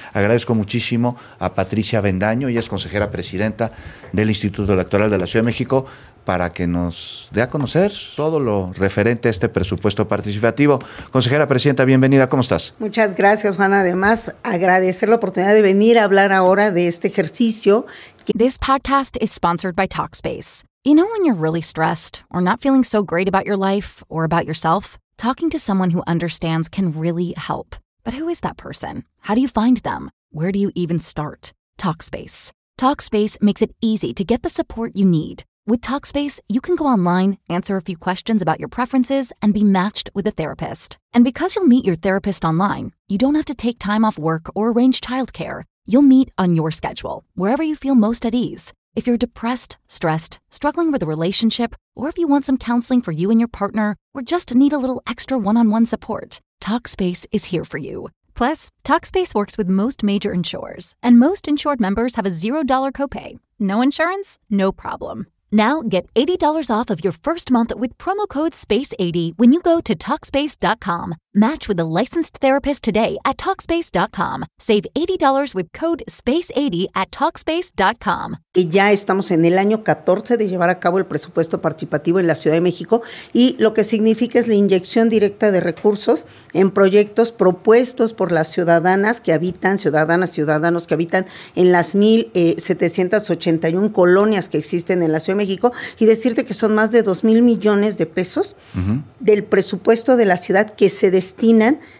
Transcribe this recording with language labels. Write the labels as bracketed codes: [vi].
[es] Agradezco muchísimo a Patricia Avendaño, ella es consejera presidenta del Instituto Electoral de la Ciudad de México, para que nos dé a conocer todo lo referente a este presupuesto participativo. Consejera presidenta, bienvenida, ¿cómo estás? Muchas gracias, Juan. Además, agradecer la oportunidad de venir a hablar ahora de este ejercicio. [en] This podcast is sponsored by Talkspace. You know when you're really stressed or not feeling so great about your life or about yourself? Talking to someone who understands can really help. But who is that person? How do you find them? Where do you even start? Talkspace. Talkspace makes it easy to get the support you need. With Talkspace, you can go online, answer a few questions about your preferences, and be matched with a therapist. And because you'll meet your therapist online, you don't have to take time off work or arrange childcare. You'll meet on your schedule, wherever you feel most at ease. If you're depressed, stressed, struggling with a relationship, or if you want some counseling for you and your partner, or just need a little extra one-on-one support, Talkspace is here for you. Plus, Talkspace works with most major insurers, and most insured members have a $0 copay. No insurance? No problem. Now, get $80 off of your first month with promo code SPACE80 when you go to Talkspace.com. Match with a licensed therapist today at Talkspace.com. Save $80 with code SPACE80 at Talkspace.com. [es] Y ya estamos en el año 14 de llevar a cabo el presupuesto participativo en la Ciudad de México, y lo que significa es la inyección directa de recursos en proyectos propuestos por las ciudadanas que habitan, ciudadanas, ciudadanos que habitan en las 1,781 colonias que existen en la Ciudad de México, y decirte que son más de 2 mil millones de pesos, uh-huh, del presupuesto de la ciudad que se destinan